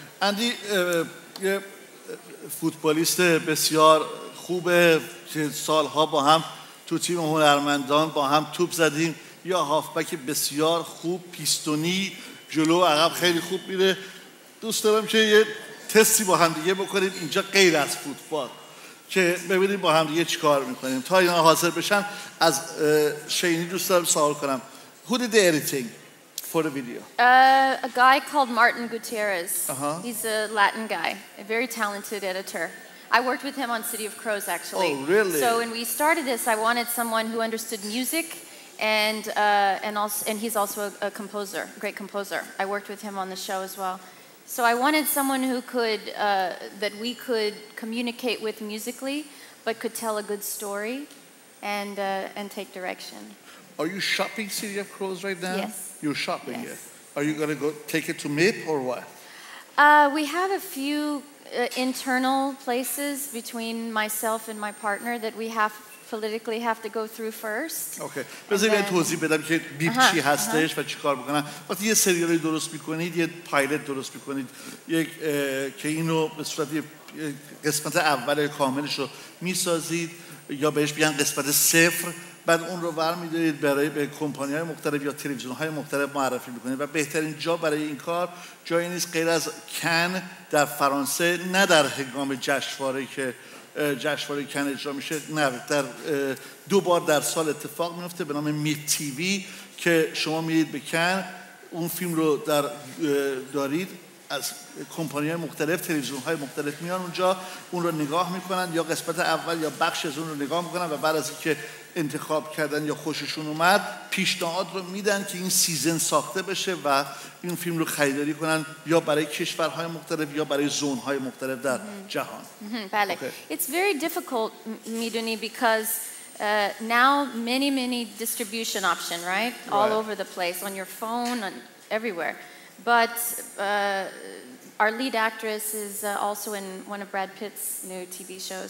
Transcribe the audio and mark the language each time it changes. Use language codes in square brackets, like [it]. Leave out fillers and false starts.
[fa] اندی یه فوتبالیست بسیار خوبه که سالها با هم تو تیم هنرمندان با هم توپ زدیم, یا هافبک بسیار خوب, پیستونی, جلو و عقب خیلی خوب میره. دوست دارم که یه تستی با هم دیگه بکنیم اینجا غیر از فوتبال که ببینیم با هم دیگه چی کار میکنیم. تا اینا حاضر بشن از شینی دوست دارم سوال کنم. [en] Who did the editing for the video? A guy called Martin Gutierrez. Uh-huh. He's a Latin guy, a very talented editor. I worked with him on City of Crows, actually. Oh, really? So when we started this, I wanted someone who understood music, and he's also a composer, a great composer. I worked with him on the show as well. So I wanted someone who could, that we could communicate with musically, but could tell a good story and take direction. Are you shopping City of Crows right now? Yes. You're shopping, yes. Are you going to go take it to MIP or what? We have a few internal places between myself and my partner that we have politically have to go through first. Okay. [fa] بذارید توضیح بدم که بیپ چی هستش و چیکار می‌کنن. وقتی یه سریال درست می‌کنید، یه پایلوت درست می‌کنید، یک که اینو به صورت قسمت اول کاملش رو می‌سازید یا بهش میگن قسمت صفر، بعد اون رو برمی‌دارید برای به کمپانی‌های مختلف یا تلویزیون‌های مختلف معرفی می‌کنید و بهترین جا برای این کار جایی نیست غیر از کن در فرانسه، نه در هنگام جشنواره که جشنواره کن اجرا میشه، نه در دو بار در سال اتفاق میفته به نام میت تی وی که شما میرید به کن اون فیلم رو در دارید، از کمپانی‌های مختلف تلویزیون‌های مختلف میان اونجا اون رو نگاه می‌کنن، یا قسمت اول یا بخش از اون رو نگاه می‌کنن و بعد از اینکه انتخاب کردن یا خوششون اومد پیشنهاد رو میدن که این سیزن ساخته بشه و این فیلم رو خریداری کنن یا برای کشورهای مختلف یا برای زون‌های مختلف در جهان. بله. [en] It's very difficult میدونی because now many distribution option, right? All over the place on your phone and everywhere. But our lead actress is also in one of Brad Pitt's new TV shows.